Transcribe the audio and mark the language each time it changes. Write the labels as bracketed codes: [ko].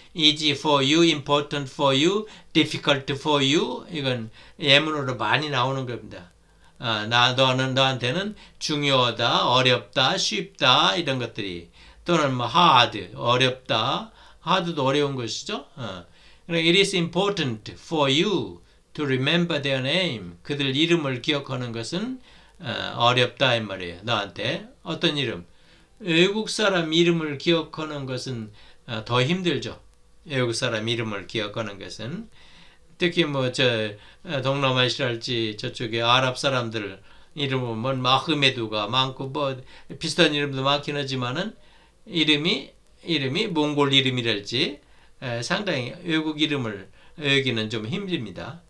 [en] easy for you, important for you, difficult for you. [ko] 이건 예문으로 많이 나오는 겁니다. 너한테는 중요하다, 어렵다, 쉽다 이런 것들이 또는 뭐 hard, 어렵다. hard도 어려운 것이죠. [en] It is important for you to remember their name. [ko] 그들 이름을 기억하는 것은 어렵다 이 말이에요. 너한테 어떤 이름? 외국 사람 이름을 기억하는 것은 더 힘들죠. 외국 사람 이름을 기억하는 것은 특히 뭐 저 동남아시아랄지 저쪽에 아랍 사람들 이름은 뭐 마흐메두가 많고 뭐 비슷한 이름도 많긴 하지만은 이름이 몽골 이름이랄지 상당히 외국 이름을 외우기는 좀 힘듭니다.